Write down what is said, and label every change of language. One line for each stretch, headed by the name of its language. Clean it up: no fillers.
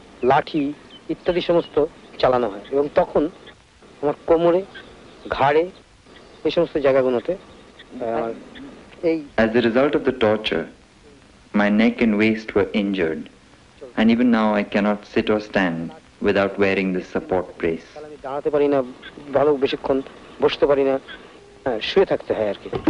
Bangla: লাঠি ইত্যাদি সমস্ত চালানো হয় এবং তখন আমার কোমরে ঘাড়ে এই সমস্ত জায়গাগুলোতে
English: এই As a result of the torture, my neck and waist were injured and even now I cannot sit or stand without wearing this support brace.
Bangla: আমি দাঁড়াতে পারি না ভালো বেশিক্ষণ বসতে পারি না শুয়ে থাকতে হয় আর কি